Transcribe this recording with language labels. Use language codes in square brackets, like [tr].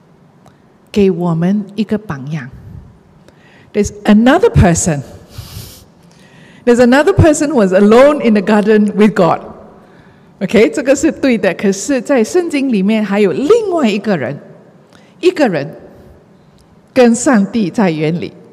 [zh] 亚当单独的跟上帝在园里，给我们一个榜样. [en] There's another person. There's another person who was alone in the garden with God. [zh] Okay, 这个是对的，可是在圣经里面还有另外一个人，一个人跟上帝在园里。